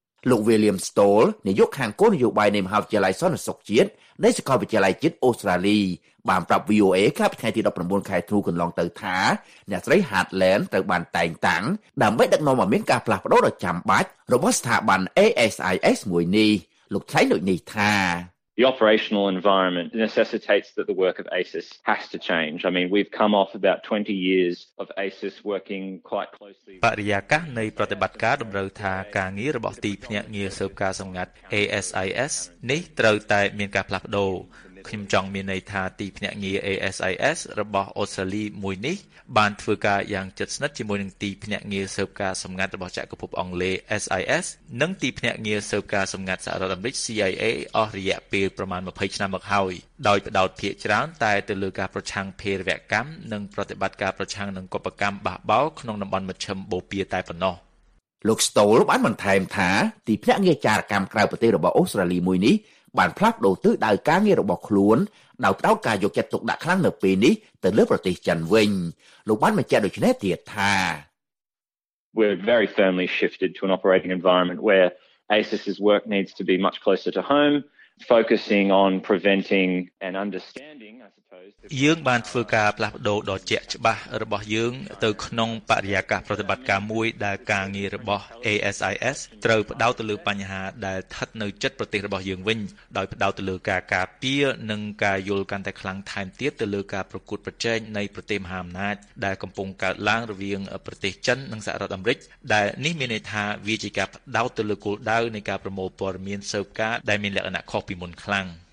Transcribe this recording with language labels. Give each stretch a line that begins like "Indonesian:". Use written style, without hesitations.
Khmer: លោក William Stoll នាយកខាងគោលនយោបាយនៃមហាវិទ្យាល័យសន្តិសុខជាតិនៃសាកលវិទ្យាល័យជាតិអូស្ត្រាលីបានប្រាប់ VOA កាលពីថ្ងៃទី19ខែធ្នូកន្លងទៅថាអ្នកស្រី Hadland ត្រូវបានតែងតាំងដើម្បីដឹកនាំឲ្យមានការផ្លាស់ប្តូរដ៏ចាំបាច់របស់ស្ថាប័ន ASIS មួយនេះលោកថ្លែងដូចនេះថា
English: The operational environment necessitates that the work of ASIS has to change. I mean, we've come off about 20 years of ASIS working quite closely.
Khmer: បរិយាកាសនៃប្រតិបត្តិការតម្រូវថាការងាររបស់ទីភ្នាក់ងារស៊ើបការណ៍សម្ងាត់ ASIS នេះត្រូវតែមានការផ្លាស់ប្តូរ។ខ្ញុំចង់មានន័យថាទីភ្នាក់ងារ ASIS របស់អូស្ត្រាលីមួយនេះ បានធ្វើការយ៉ាងជិតស្និទ្ធជាមួយនឹងទីភ្នាក់ងារស៊ើបការណ៍សម្ងាត់របស់ចក្រភពអង់គ្លេស SIS និងទីភ្នាក់ងារស៊ើបការណ៍សម្ងាត់សហរដ្ឋអាមេរិក CIA អស់រយៈពេលប្រមាណ20ឆ្នាំមកហើយដោយផ្ដោតភាគច្រើនតែទៅលើការប្រឆាំងភេរវកម្មនិងប្រតិបត្តិការប្រឆាំងនឹងកុបកម្មបះបោក្នុងតំបន់មជ្ឈមបូព៌ាតែប៉ុណ្ណោះ លោក Stoll បានបន្ថែមថាទីភ្នាក់ងារចារកម្មក្រៅប្រទេសរបស់អូស្ត្រាលីមួយនេះបានផ្លាស់ប្ដូរទិសដៅការងាររបស់ខ្លួនដោយផ្ដោតការយកចិត្តទុកដាក់ខ្លាំងនៅពេលនេះទៅលើប្រទេសចិនវិញលោកបានបញ្ជាក់ដូចនេះទៀតថា
English: We're very firmly shifted to an operating environment where ASIS's work needs to be much closer to home focusing on preventing and understanding
Khmer: យើងបានធ្វើការផ្លាស់ប្តូរដ៏ជាក់ច្បាស់របស់យើងទៅក្នុងបរិយាកាសប្រតិបត្តិការមួយដែលការងាររបស់ ASIS ត្រូវផ្តោតទៅលើបញ្ហាដែលស្ថិតនៅចិត្តប្រទេសរបស់យើងវិញដោយផ្តោតទៅលើការការពារនិងការយល់កាន់តែខ្លាំងថែមទៀតទៅលើការប្រកួតប្រជែងនៃប្រទេសមហាអំណាចដែលកំពុងកើតឡើងរវាងប្រទេសចិននិងសហរដ្ឋអាមេរិកដែលនេះមានន័យថាវាជាការផ្តោតទៅលើគោលដៅនៃការប្រមូលព័ត៌មានស៊ើបការណ៍ដែលមានលក្ខណៈខុសពីមុនខ្លាំង